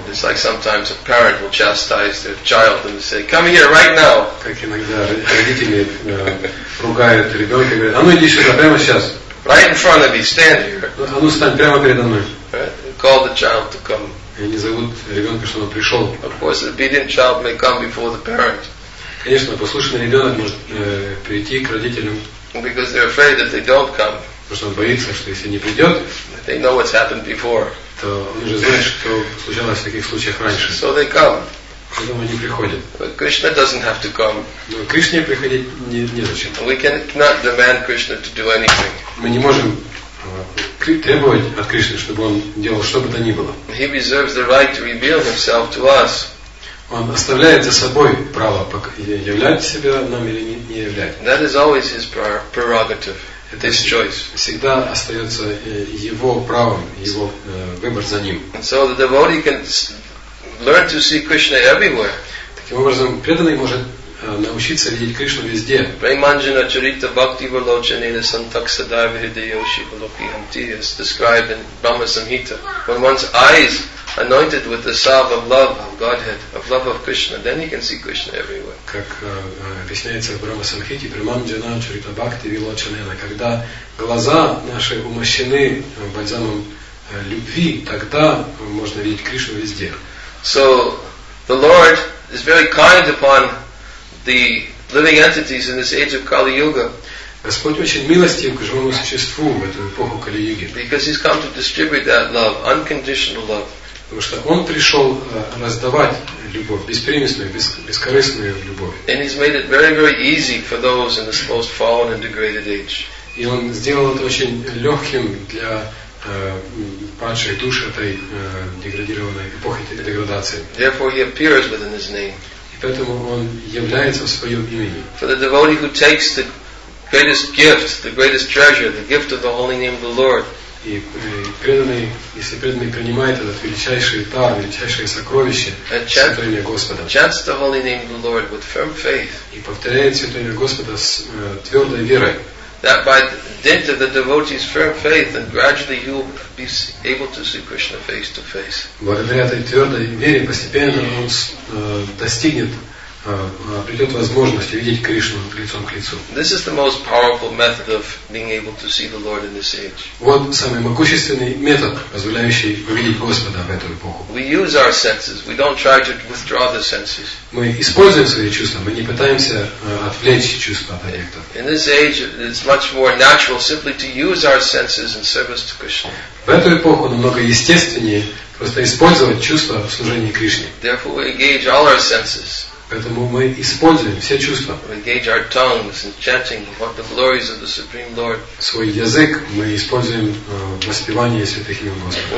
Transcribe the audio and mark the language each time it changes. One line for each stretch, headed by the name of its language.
English: It's like sometimes a parent will chastise their child and say, "Come here, right now."
Russian: Как иногда родители ругают ребенка и говорят, "А ну иди сюда, прямо сейчас."
English: Right in front of me, stand here.
Russian: А ну стань прямо передо мной.
English: Call the child to come.
Russian: И они зовут ребенка, чтобы он пришел.
English: Of course, the obedient child may come before the parent.
Russian: Конечно, послушный ребенок может прийти к родителям.
English: Because they're afraid that they don't come.
Russian: Потому что он боится, что если не придет,
English: they know what's happened before.
Russian: То он уже знает, что случалось в таких случаях раньше.
English: So they come.
Russian: Поэтому они приходят.
English: But Krishna doesn't have to come.
Russian: Но Кришне приходить не зачем.
English: We cannot demand Krishna to do anything.
Russian: Мы не можем требовать от Кришны, чтобы он делал что бы то ни было.
English: He reserves the right to reveal himself to us.
Russian: Он оставляет за собой право являть себя нам или не являть.
English: That is always his prerogative. It is choice.
Russian: Всегда остается его правом, его выбор за ним.
English: So the devotee can learn to see Krishna everywhere.
Russian: Таким образом, преданный может научиться видеть Кришну везде.
Sanskrit: Premanjana charita bhakti valochanena santaksadaiva hideyoshi valoki hanti
English: is described in Brahma Samhita. When one's eyes anointed with the salve of love of Godhead, of love of Krishna, then he can see Krishna everywhere.
Russian: Как объясняется в Брахма Самхите,
Sanskrit: Преманджана Чарита Бхакти Вилочанена,
Russian: когда глаза наши умощены бальзамом любви, тогда можно видеть Кришну везде.
English: So the Lord is very kind upon the living entities in this age of Kali Yuga.
Russian: Господь очень милостив к живому существу в эту эпоху Кали Юги.
English: Because he's come to distribute that love, unconditional love.
Russian: Потому что он пришел раздавать любовь, беспримесную, бескорыстную любовь.
English: And he's made it very, very easy for those in this most fallen and degraded age.
Russian: И он сделал это очень легким для падшей души этой деградированной эпохи деградации.
English: Therefore he appears within his name.
Russian: И поэтому он является в своем имени.
English: For the devotee who takes the greatest gift, the greatest treasure, the gift of the holy name of the Lord.
Russian: И преданный, если преданный принимает этот величайший дар, величайшее сокровище, святое имя Господа,
English: chants the holy name of the Lord with firm faith,
Russian: и повторяет святое имя Господа с твердой верой,
English: that by dint of the devotee's firm faith, then gradually he will be able to see Krishna face to face.
Russian: Благодаря этой твердой вере постепенно он достигнет, придет возможность увидеть Кришну лицом к лицу.
English: This is the most powerful method of being able to see the Lord in this age.
Russian: Вот самый могущественный метод, позволяющий увидеть Господа в эту эпоху.
English: We use our senses. We don't try to withdraw the senses.
Russian: Мы используем свои чувства. Мы не пытаемся отвлечь чувства от объекта.
English: In this age, it's much more natural simply to use our senses in service to Krishna.
Russian: В эту эпоху намного естественнее просто использовать чувства в служении Кришне.
English: Therefore, we engage all our senses.
Russian: Поэтому мы используем все чувства.
English: We engage our tongues in chanting about the glories of the Supreme Lord.
Russian: Свой язык мы используем в воспевании святых имен Господа.